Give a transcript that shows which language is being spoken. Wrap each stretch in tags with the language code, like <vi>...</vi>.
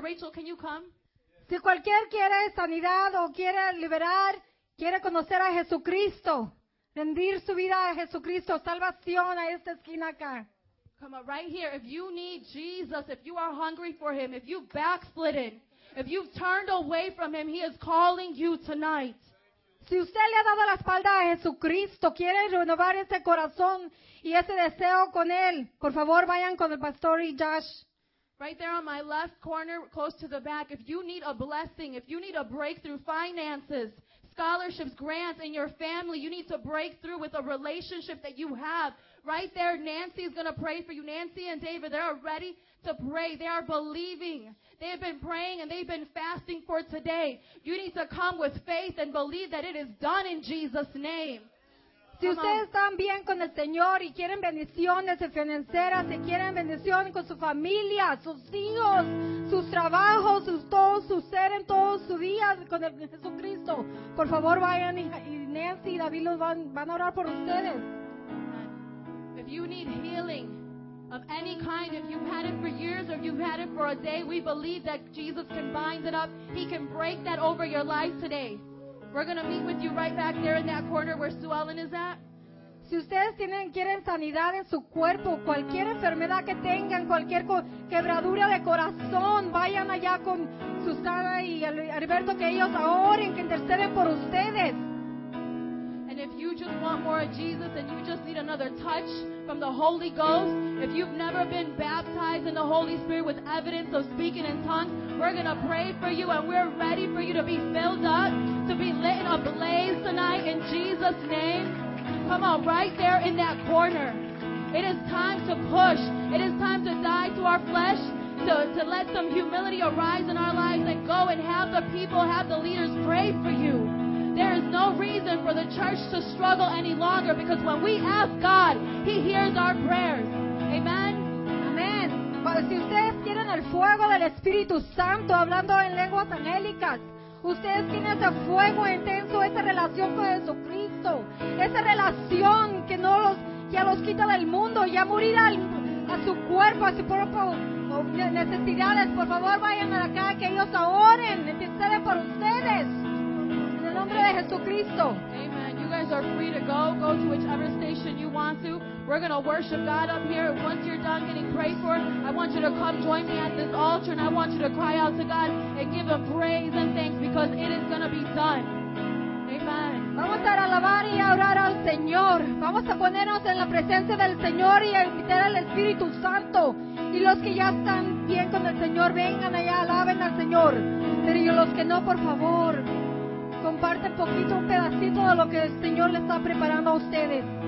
<en>Rachel, can you come?</en> <es>Si cualquier quiere sanidad o quiere liberar, quiere conocer a Jesucristo, rendir su vida a Jesucristo, salvación a esta esquina acá.</es> <en>Come up right here. If you need Jesus, if you are hungry for him, if you've backslidden, if you've turned away from him, he is calling you tonight.</en> <es>Si usted le ha dado la espalda a Jesucristo, quiere renovar ese corazón y ese deseo con él, por favor vayan con el pastor y Josh.</es> <en>Right there on my left corner, close to the back, if you need a blessing, if you need a breakthrough, finances, scholarships, grants in your family, you need to break through with a relationship that you have. Right there, Nancy is going to pray for you. Nancy and David, they are ready to pray. They are believing. They have been praying and they've been fasting for today. You need to come with faith and believe that it is done in Jesus' name.</en> <es>Si ustedes están bien con el Señor y quieren bendiciones financieras, si quieren bendición con su familia, sus hijos, sus trabajos, sus todo su ser en todos sus días con el Jesucristo, por favor vayan y Nancy y David los van a orar por ustedes.</es> <en>If you need healing of any kind, if you've had it for years or you've had it for a day, we believe that Jesus can bind it up. He can break that over your life today. We're going to meet with you right back there in that corner where Sue Ellen is at. Si ustedes quieren sanidad en su cuerpo, cualquier enfermedad que tengan, cualquier quebradura de corazón, vayan allá con Susana y Alberto, que ellos oren, que interceden por ustedes. And if you just want more of Jesus and you just need another touch from the Holy Ghost, if you've never been baptized in the Holy Spirit with evidence of speaking in tongues, we're going to pray for you and we're ready for you to be filled up, to be lit in a blaze tonight in Jesus' name. Come on, right there in that corner. It is time to push. It is time to die to our flesh, to let some humility arise in our lives and go and have the people, have the leaders pray for you. There is no reason for the church to struggle any longer because when we ask God, He hears our prayers. Amen? Amen.</en> <es>Pero si ustedes tienen el fuego del Espíritu Santo hablando en lenguas angélicas, ustedes tienen ese fuego intenso, esa relación con Jesucristo, esa relación que no los, ya los quita del mundo, ya morir a su cuerpo, a sus propias necesidades, por favor vayan a la calle que ellos oren, intercede por ustedes.</es> <en>Amen. You guys are free to go. Go to whichever station you want to. We're going to worship God up here. Once you're done getting prayed for, I want you to come join me at this altar and I want you to cry out to God and give Him praise and thanks because it is going to be done. Amen.</en> <es>Vamos a alabar y a orar al Señor. Vamos a ponernos en la presencia del Señor y a invitar al Espíritu Santo. Y los que ya están bien con el Señor, vengan allá, alaben al Señor. Pero los que no, por favor, comparte poquito, un pedacito de lo que el Señor le está preparando a ustedes.</es>